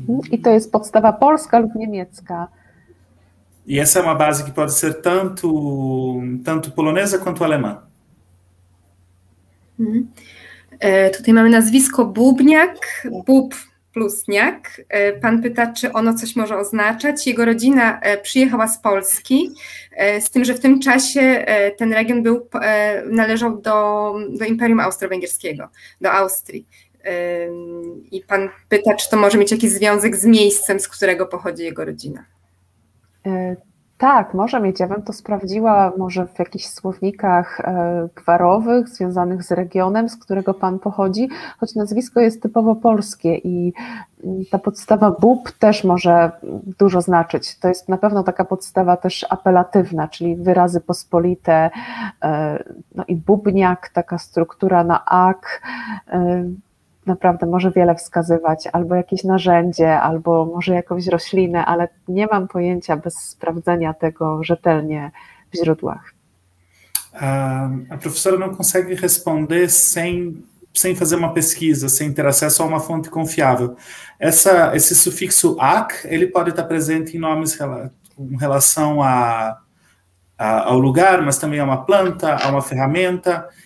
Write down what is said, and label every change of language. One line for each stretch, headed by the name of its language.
Polish: E to jest podstawa polska lub niemiecka.
Portuguese: E essa é uma base que pode ser tanto polonesa quanto alemã.
Polish: Tutaj mamy nazwisko Bubniak, Bub Plusniak. Pan pyta, czy ono coś może oznaczać. Jego rodzina przyjechała z Polski, z tym, że w tym czasie ten region należał do Imperium Austro-Węgierskiego, do Austrii. I pan pyta, czy to może mieć jakiś związek z miejscem, z którego pochodzi jego rodzina. Tak, może mieć. Ja bym to sprawdziła może w jakichś słownikach gwarowych, związanych z regionem, z którego pan pochodzi, choć nazwisko jest typowo polskie i ta podstawa Bób też może dużo znaczyć. To jest na pewno taka podstawa też apelatywna, czyli wyrazy pospolite, no i bubniak, taka struktura na ak, naprawdę może wiele wskazywać, albo jakieś narzędzie, albo może jakąś roślinę, ale nie mam pojęcia bez sprawdzenia tego rzetelnie w źródłach.
Portuguese: A professora não consegue responder sem fazer uma pesquisa, sem ter acesso a uma fonte confiável. Esse sufixo "-ak", ele pode estar presente em nomes com relação ao lugar, mas também a uma planta, a uma ferramenta.